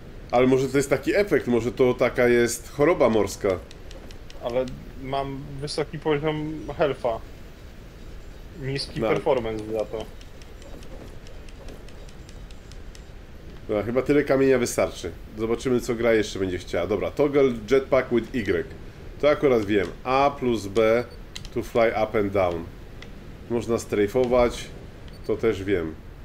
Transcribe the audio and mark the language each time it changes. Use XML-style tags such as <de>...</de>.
<pl>Ale może to jest taki efekt, może to taka jest choroba morska. Ale mam wysoki poziom health'a. Niski no. Performance za to. No, chyba tyle kamienia wystarczy. Zobaczymy, co gra jeszcze będzie chciała. Dobra,</pl> <en>toggle jetpack with Y.</en> <pl>To akurat wiem.</pl> <en>A plus B to fly up and down.</en> <pl>Można strafować, to też wiem.</pl>